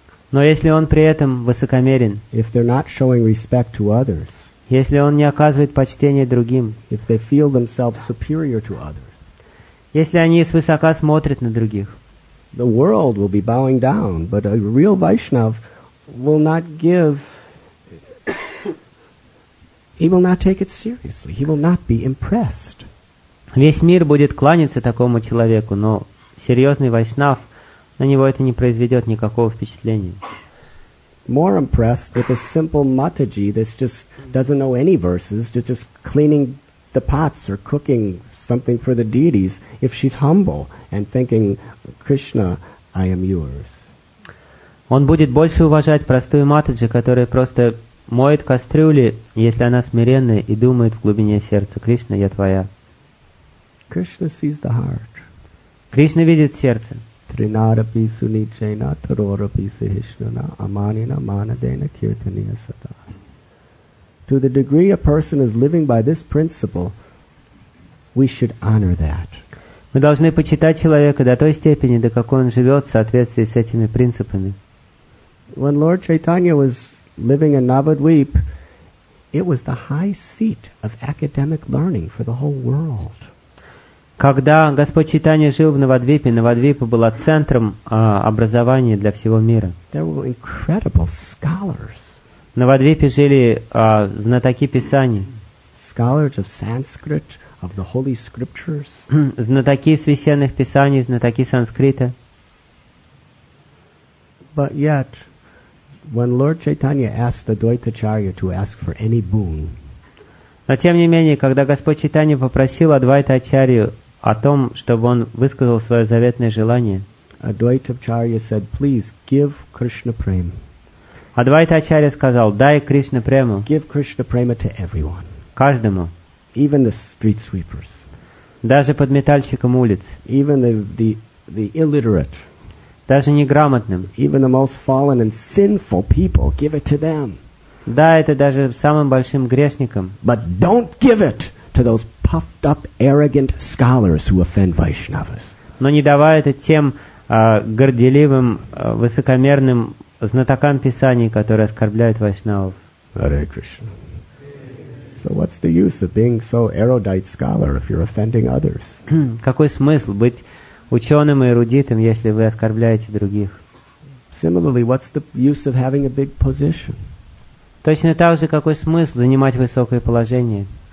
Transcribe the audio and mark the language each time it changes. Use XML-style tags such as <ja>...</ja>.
<ru>но если он при этом высокомерен,</ru> <en>if they're not showing respect to others,</en> <ru>если он не оказывает почтения другим,</ru> <en>if they feel themselves superior to others,</en> <ru>если они свысока смотрят на других,</ru> <en>the world will be bowing down, but a real Vaishnav will not give He will not take it seriously. He will not be impressed.</en> <ru>Весь мир будет кланяться такому человеку, но серьезный вайшнав на него это не произведет никакого впечатления.</ru> <en>More impressed with a simple mataji that just doesn't know any verses, just cleaning the pots or cooking something for the deities, if she's humble and thinking, Krishna, I am yours.</en> <ru>Он будет больше уважать простую матаджи, которая просто моет кастрюли, если она смиренная и думает в глубине сердца, Кришна, я твоя.</ru> <en>Krishna sees the heart.</en> <ru>Кришна видит сердце.</ru> <sa>Trinarapi sunichena tarorapi sahishnana amanina manadena kirtaniya sata.</sa> <en>To the degree a person is living by this principle, we should honor that.</en> <ru>Мы должны почитать человека до той степени, до какой он живет в соответствии с этими принципами.</ru> <en>When Lord Chaitanya was living in Navadvip, it was the high seat of academic learning for the whole world.</en> <ru>Когда Господь Чайтанья жил в Навадвипе, Навадвипа была центром образования для всего мира.</ru> <en>There were incredible scholars.</en> <ru>В Навадвипе жили знатоки писаний.</ru> <en>Scholars of Sanskrit, of the holy scriptures.</en> <ru>Знатоки священных писаний, знатоки санскрита.</ru> <en>But yet, when Lord Chaitanya asked the Dvaitacharya to ask for any boon,</en> <ru>но тем не менее, когда Господь Чайтанья попросил Адвайта-ачарью о том, чтобы он высказал свое заветное желание, Адвайта-ачарья said, please give Krishna prema. Адвайта-ачарья сказал, дай Кришна прему.</ru> <en>Give Krishna prema to everyone.</en> <ru>Каждому.</ru> <en>Even the street sweepers.</en> <ru>Даже подметальщикам улиц.</ru> <en>Even the illiterate.</en> <ru>Даже неграмотным.</ru> <en>Even the most fallen and sinful people, give it to them.</en> <ru>Да, это даже самым большим грешникам.</ru> <en>But don't give it to those puffed up, arrogant scholars who offend Vaishnavas.</en> <ru>Но не давай это тем горделивым, высокомерным знатокам писаний, которые оскорбляют вайшнавов.</ru> <en>Hare Krishna. So what's the use of being so erudite scholar if you're offending others?</en> <ru>Какой смысл быть ученым и эрудитом, если вы оскорбляете других?</ru> <en>Similarly, what's the use of having a big position?</en> <ru>Точно так же, какой смысл занимать высокое положение?</ru>